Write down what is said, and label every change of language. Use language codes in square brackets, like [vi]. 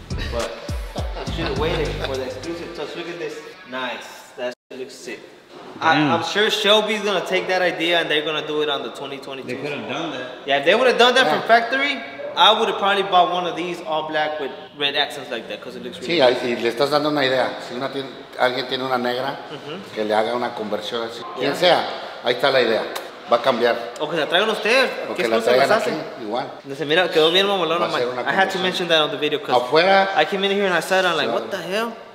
[en] But he should have waited for the exclusive touch. Look at this. Nice. That looks sick. I'm sure Shelby's gonna take that idea and they're gonna do it on the 2022. They could have done that. Yeah, if they would have done that from factory, I would have probably bought one of these all black with red accents like that because it looks really good. [es] Sí, nice. Y le estás dando una idea. Si una alguien tiene una negra, que le haga una conversión así. Yeah. Quien sea, ahí está la idea. va a cambiar. O que la traigan ustedes. O que la traigan aquí, igual. Dice, mira, quedó bien mamalona. [en] I had to mention that on the video. [es] Afuera. [en] I came in here and I said, I'm like, what the hell?